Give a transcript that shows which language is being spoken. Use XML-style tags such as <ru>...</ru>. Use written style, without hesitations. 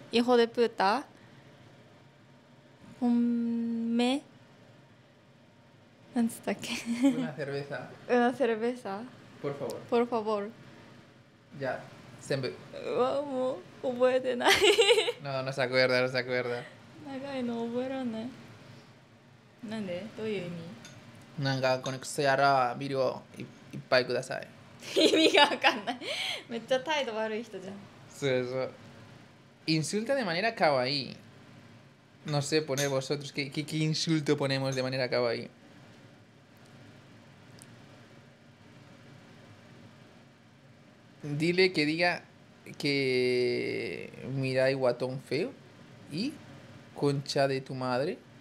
<es>Hijo de puta. Ponme. ¿Dónde está qué? Una cerveza. Una cerveza. Por favor. Por favor. Ya. Siempre. Vamos. O puede nadie. No, no se acuerda, no se acuerda.</es> <ja>長いの覚えらんない。なんで？どういう意味？なんかこのクソ野郎ビルをいっぱいください。意味がわかんない。めっちゃ態度悪い人じゃん。そうそう。</ja> <es>Insulta de manera kawaii。 No sé poner vosotros qué insulto ponemos de manera kawaii。 Dile que diga que mira el guatón feo y concha de tu madre.</es>